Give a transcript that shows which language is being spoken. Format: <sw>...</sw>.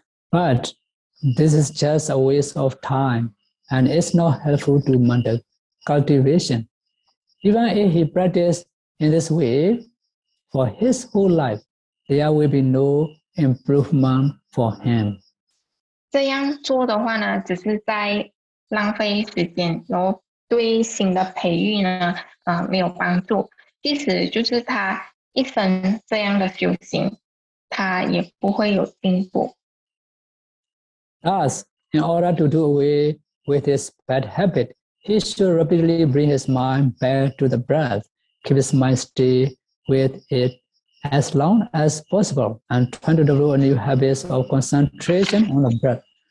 <en>But this is just a waste of time, and it's not helpful to mental cultivation. Even if he practices in this way for his whole life, there will be no improvement for him.</en> <zh>这样做的话呢，只是在浪费时间，然后对心的培育呢，没有帮助。即使就是他一生这样的修行，他也不会有进步。</zh> <en>Thus, in order to do away with his bad habit, he should rapidly bring his mind back to the breath, keep his mind steady with it as long as possible, and try to develop a new habit of concentration on the breath.</en>